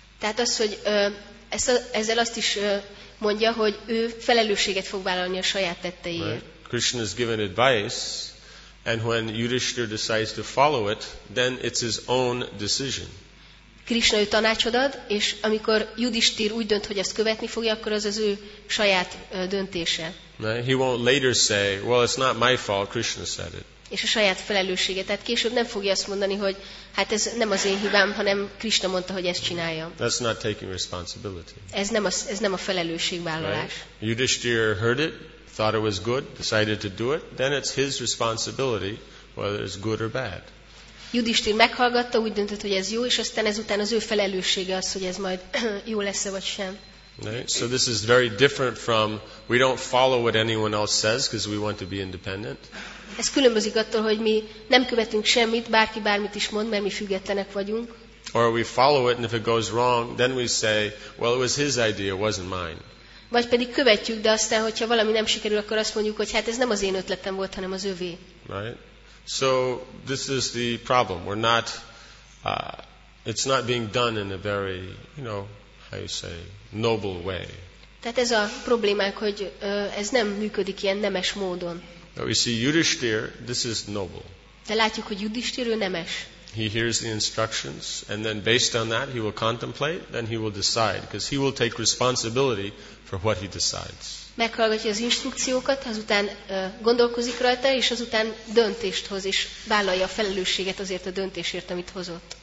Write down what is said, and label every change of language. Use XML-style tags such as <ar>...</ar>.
<hu>Tehát az, hogy ezzel azt is mondja, hogy ő felelősséget fog vállalni a saját tetteiért.</hu> <en>Right? Krishna has given advice, and when Yudhishthir decides to follow it, then it's his own decision.</en> <hu>Krishna ő tanácsod ad, és amikor Yudhishthir úgy dönt, hogy ezt követni fogja, akkor az ő saját döntése.</hu> <en>He won't later say, well, it's not my fault, Krishna said it.</en> <hu>És a saját felelőssége. Tehát később nem fogja azt mondani, hogy hát ez nem az én hibám, hanem Krishna mondta, hogy ezt csináljam.</hu> <en>That's not taking responsibility.</en> <hu>Ez nem a felelősségvállalás.</hu> <en>Right? Yudhishthir heard it, thought it was good, decided to do it, then it's his responsibility whether it's good or bad.</en> <hu>Yudhishthir meghallgatta, úgy döntött, hogy ez jó, és aztán ezután az ő felelőssége az, hogy ez majd jó lesz-e vagy sem.</hu> <en>Right? So this is very different from we don't follow what anyone else says because we want to be independent.</en> <hu>Ez különbözik attól, hogy mi nem követünk semmit, bárki bármit is mond, mert mi függetlenek vagyunk.</hu> <en>Or we follow it and if it goes wrong, then we say, well, it was his idea, it wasn't mine.</en> <hu>Vagy pedig követjük, de aztán, hogyha valami nem sikerül, akkor azt mondjuk, hogy hát ez nem az én ötletem volt, hanem az övé.</hu> <en>Right? So this is the problem. We're not, it's not being done in a very, you know, how you say, noble way.</en> <hu>Tehát ez a problémák, hogy ez nem működik ilyen nemes módon.</hu> <en>But we see Yudhishthir, this is noble.</en> <hu>De látjuk, hogy Yudhishthir, ő nemes.</hu> <en>He hears the instructions, and then based on that, he will contemplate, then he will decide, because he will take responsibility for what he decides.</en> <hu>Meghallgatja az instrukciókat, azután gondolkozik rajta, és azután döntést hoz, és vállalja a felelősséget azért a döntésért, amit hozott.</hu>